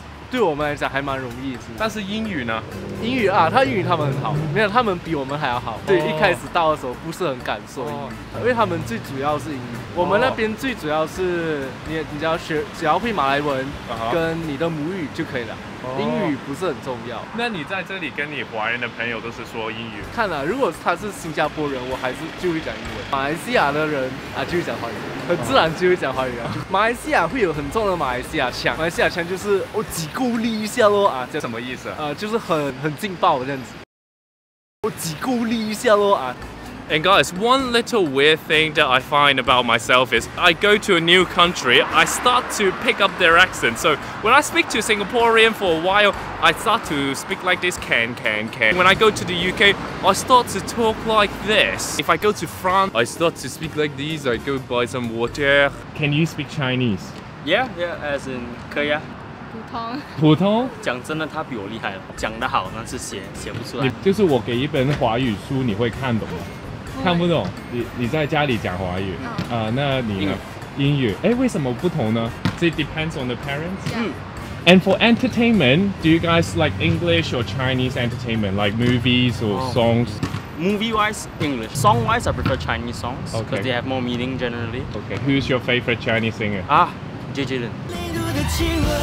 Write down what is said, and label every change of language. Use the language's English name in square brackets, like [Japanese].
[Chinese] 对我们来讲还蛮容易，但是英语呢？英语啊，他英语他们很好，没有他们比我们还要好。对，一开始到的时候不是很敢说英语，因为他们最主要是英语。我们那边最主要是你只要会马来文，跟你的母语就可以了，英语不是很重要。那你在这里跟你华人的朋友都是说英语？看了，如果他是新加坡人，我还是就会讲英文。马来西亚的人啊，就会讲华语。很自然就会讲华语啊，马来西亚会有很重的马来西亚腔，马来西亚腔就是我挤够力一下咯啊，这什么意思？就是很劲爆这样子，我挤够力一下咯啊。 [English] And guys, one little weird thing that I find about myself is I go to a new country, I start to pick up their accent. So when I speak to a Singaporean for a while, I start to speak like this, can. When I go to the UK, I start to talk like this. If I go to France, I start to speak like these, I go buy some water. Can you speak Chinese? Yeah, as in, [Chinese] 可以啊。普通，讲真的，他比我厉害了。讲得好，那是写不出来。就是我给一本华语书，你会看懂吗？看不懂。你在家里讲华语，那你呢？英语。哎，为什么不同呢？ [English] It depends on the parents. And for entertainment, do you guys like English or Chinese entertainment, like movies or songs? Movie wise, English. Song wise, I prefer Chinese songs because they have more meaning generally. Okay. Who's your favorite Chinese singer? JJ Lin.